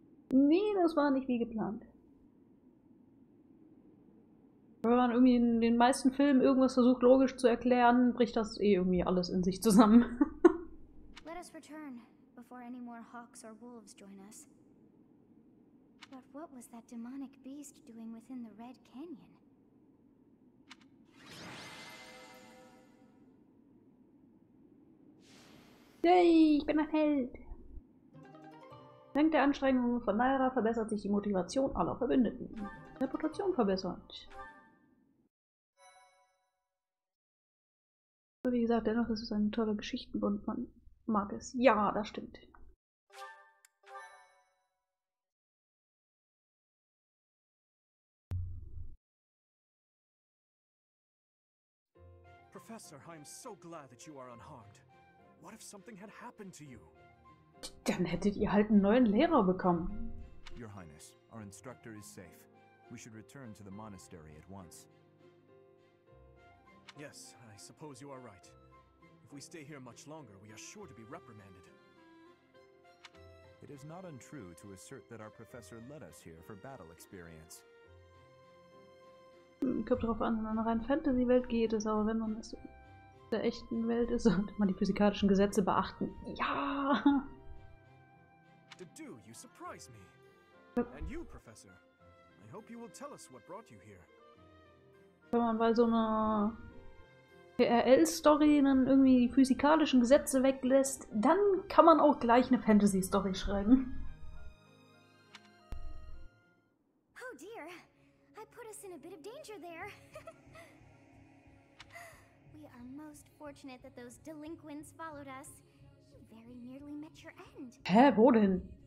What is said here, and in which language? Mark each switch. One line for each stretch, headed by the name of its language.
German: Nee, das war nicht wie geplant. Wenn man irgendwie in den meisten Filmen irgendwas versucht logisch zu erklären, bricht das eh irgendwie alles in sich zusammen.
English: Let us return. Before any more hawks or wolves join us. But what was that demonic beast doing within the Red Canyon?
German: Yay, ich bin ein Held! Dank der Anstrengungen von Naira verbessert sich die Motivation aller Verbündeten. Reputation verbessert. Aber wie gesagt, dennoch ist es ein toller Geschichtenbund, Mann. Mag es. Ja, das stimmt.
English: Professor, I am so glad that you are unharmed. What if something had happened to you?
German: Dann hättet ihr halt einen neuen Lehrer bekommen.
English: Your Highness, our instructor is safe. We should return to the monastery at once. Yes, I suppose you are right. If we stay here much longer, we are sure to be reprimanded. It is not untrue to assert that our professor led us here for battle experience.
German: Kommt drauf an, wenn man rein Fantasy-Welt geht, ist aber wenn man es der echten Welt ist und immer die physikalischen Gesetze beachten. Ja!
English: Dadoo, you surprise me. And you, Professor. I hope you will tell us what brought you here.
German: Wenn man bei so einer PRL-Story dann irgendwie die physikalischen Gesetze weglässt, dann kann man auch gleich eine Fantasy-Story schreiben.
English: Oh dear, I put us in a bit of danger there. We are most fortunate that those delinquents followed us. You very nearly met your end.
German: Hä, wo denn?